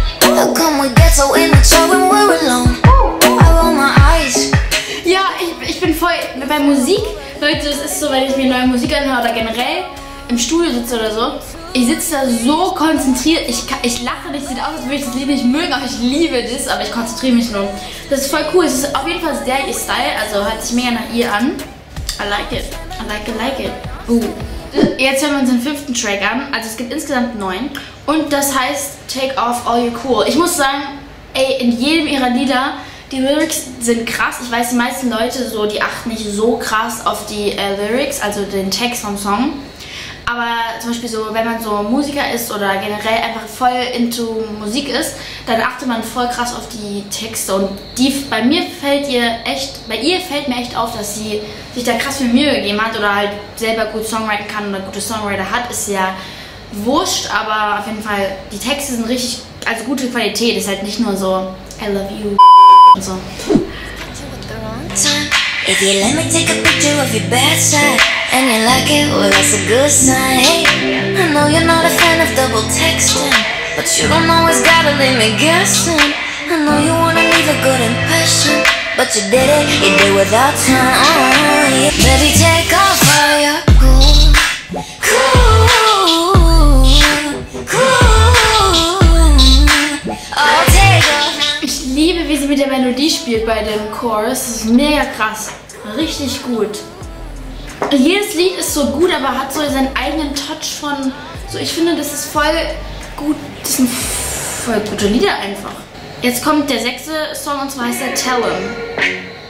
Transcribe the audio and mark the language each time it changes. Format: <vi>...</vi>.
<en>How come we get so immature when we're alone? I roll my eyes.</en> <de>Ja, ich bin voll bei Musik. Leute, es ist so, wenn ich mir neue Musik anhöre oder generell im Studio sitze oder so. Ich sitze da so konzentriert. Ich lache nicht, sieht aus, als würde ich das Lied nicht mögen, aber ich liebe das, aber ich konzentriere mich nur. Das ist voll cool. Es ist auf jeden Fall sehr ihr Style, also hört sich mega nach ihr an.</de> <en>I like it.</en> <de>Jetzt hören wir uns den 5. Track an. Also es gibt insgesamt 9. Und das heißt Take Off All Your Cool. Ich muss sagen, ey, in jedem ihrer Lieder, die Lyrics sind krass. Ich weiß, die meisten Leute, so, die achten nicht so krass auf die Lyrics, also den Text vom Song. Aber zum Beispiel so, wenn man so Musiker ist oder generell einfach voll into Musik ist, dann achtet man voll krass auf die Texte. Und die, bei ihr fällt mir echt auf, dass sie sich da krass viel Mühe gegeben hat oder halt selber gut songwriten kann oder gute Songwriter hat, ist ja wurscht. Aber auf jeden Fall, die Texte sind richtig, also gute Qualität, ist halt nicht nur so,</de> <en>I love you</en> <de>und so.</de> <en>If you let me take a picture of your bad side and you like it, well that's a good sign. Hey, I know you're not a fan of double texting, but you don't always gotta leave me guessing. I know you wanna leave a good impression, but you did it, you did it without trying. Baby, take off all your cool, cool, cool. Oh, take off.</en> <de>Ich liebe, wie sie mit der Melodie spielt bei dem Chorus. Das ist mega krass. Richtig gut. Jedes Lied ist so gut, aber hat so seinen eigenen Touch von. So, ich finde, das ist voll gut. Das sind voll gute Lieder einfach. Jetzt kommt der 6. Song und zwar heißt er Tell 'em.</de>